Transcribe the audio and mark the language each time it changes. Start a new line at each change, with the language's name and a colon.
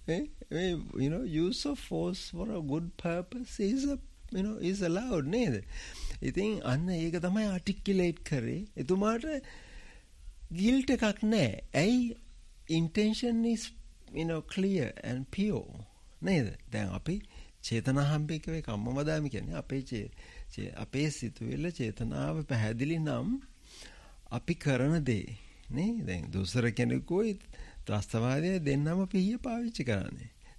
English: මේ you know use of force for a good purpose is a you know is allowed නේද?
Sinhala: ඉතින් අන්න ඒක තමයි articulate කරේ. එතුමාට guilt එකක් නැහැ. ඇයි?
English: Intention is you know clear and pure.
Sinhala: නේද? දැන් අපි
Pali: චේතනා හම්බෙකේ කම්මවදාමි
Sinhala: කියන්නේ අපේ සිතුවිල්ල චේතනාව පැහැදිලි නම් අපි කරන දේ නේ. දැන් දුසර කෙනෙකුයි ත්‍රස්තවාදී දෙන්නම පිහිය පාවිච්චි කරන්නේ.